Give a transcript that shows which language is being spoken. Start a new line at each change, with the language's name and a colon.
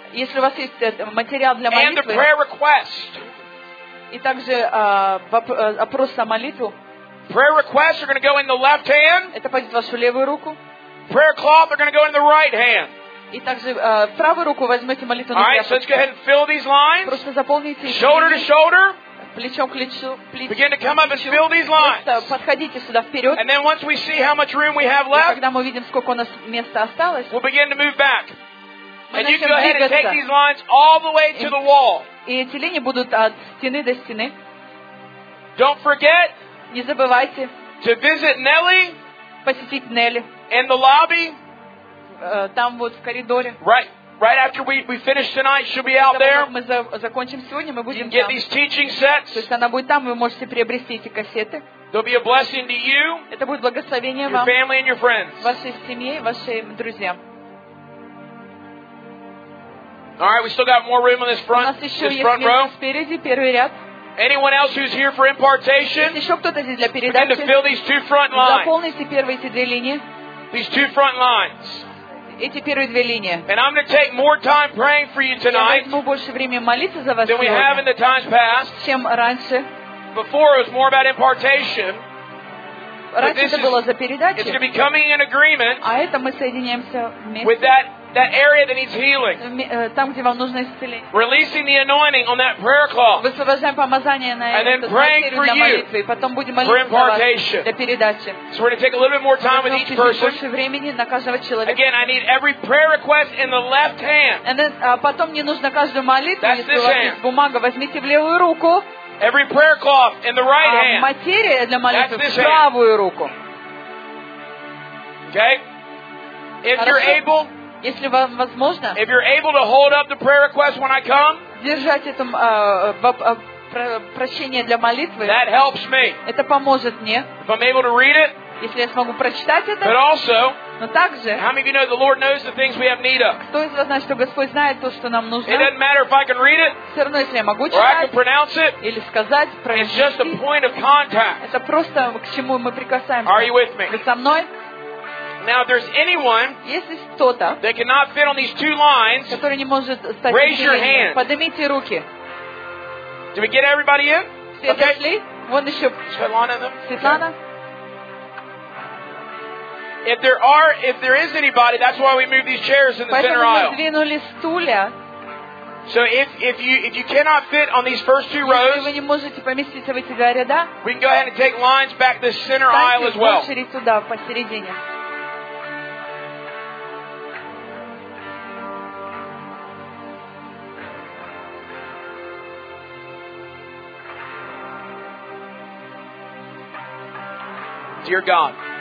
Russian: Если у вас есть материал для молитвы.
English: And the prayer request.
Russian: И также опрос о молитву.
English: Prayer request are going to go in the left hand.
Russian: Это пойдет в вашу левую руку.
English: Prayer cloth are going to go in the right hand.
Russian: И также правую руку возьмете молитву.
English: All right, so let's go ahead and fill these lines.
Russian: Просто заполните.
English: Shoulder to shoulder.
Russian: Плечом к плечу, плечом.
English: Begin to come up and fill these lines.
Russian: Подходите сюда вперед.
English: And then once we see how much room we have left,
Russian: когда мы видим, сколько у нас места осталось,
English: we'll begin to move back.
Russian: Мы
English: and you can go ahead and take these lines all the way to the wall.
Russian: И эти линии будут от стены до стены.
English: Don't forget.
Russian: Не забывайте.
English: To visit Nelly.
Russian: Посетить Нелли.
English: In the lobby.
Russian: Там вот в коридоре.
English: Right. Right after we finish tonight, she'll be out there.
Russian: Мы закончим сегодня, мы будем там.
English: Get these teaching sets.
Russian: То есть она будет там, вы можете приобрести эти кассеты.
English: There'll be a blessing to you.
Russian: Это будет благословение вам.
English: Your family and your friends.
Russian: Вашей семье, вашим друзьям.
English: All right, we still got more room on this front.
Russian: У нас еще есть место спереди, первый ряд.
English: Anyone else who's here for impartation?
Russian: Есть еще кто-то здесь для передачи?
English: Begin to fill these two front lines.
Russian: Заполните первые эти две линии.
English: These two front lines.
Russian: Эти первые две линии.
English: And I'm going to take more time praying for you tonight.
Russian: Я возьму больше времени молиться за вас.
English: Than we have in the times past.
Russian: Чем раньше.
English: Before it was more about impartation.
Russian: Раньше это было за передачи.
English: It's going to be coming in agreement.
Russian: А это мы соединяемся вместе.
English: With that area that needs healing.
Russian: Там, где вам нужно исцеление.
English: Releasing the anointing on that prayer cloth.
Russian: Высвобождаем помазание на это.
English: And then praying for you.
Russian: Потом будем молиться
English: for impartation.
Russian: Для передачи.
English: So we're going to take a little bit more time with each person.
Russian: Больше времени на каждого человека.
English: Again, I need every prayer request in the left hand. And then,
Russian: потом мне нужно каждую молитву.
English: That's this hand.
Russian: Бумага, возьмите в левую руку.
English: Every prayer cloth in the right hand.
Russian: Материя для молитвы в правую руку.
English: Okay. If
Russian: хорошо.
English: You're able.
Russian: Если вам возможно,
English: if you're able to hold up the prayer request when I come,
Russian: держать это прощение для молитвы,
English: that helps me.
Russian: Это поможет мне.
English: If I'm able to read it,
Russian: если я смогу прочитать это,
English: but also,
Russian: но также,
English: how many of you know the Lord knows the things we have need of?
Russian: Кто из вас знает, что Господь знает то, что нам нужно?
English: It doesn't matter if I can read it,
Russian: все равно, если я могу читать,
English: or I can pronounce it,
Russian: или сказать, произнести,
English: it's just a point of contact.
Russian: Это просто к чему мы прикасаемся.
English: Are you with me?
Russian: Вы со мной?
English: Now, if there's anyone that cannot fit on these two lines, raise your hand.
Russian: Поднимите руки.
English: Do we get everybody in?
Russian: Все дошли? Вон еще. Светлана.
English: If there are, if there is anybody, that's why we move these chairs in the center aisle.
Russian: Поэтому мы сдвинули стулья.
English: So if you cannot fit on these first two rows,
Russian: если вы не можете поместиться в эти два ряда,
English: we can go ahead and take lines back this center aisle as well.
Russian: Встаньте в очередь туда посередине.
English: Dear God.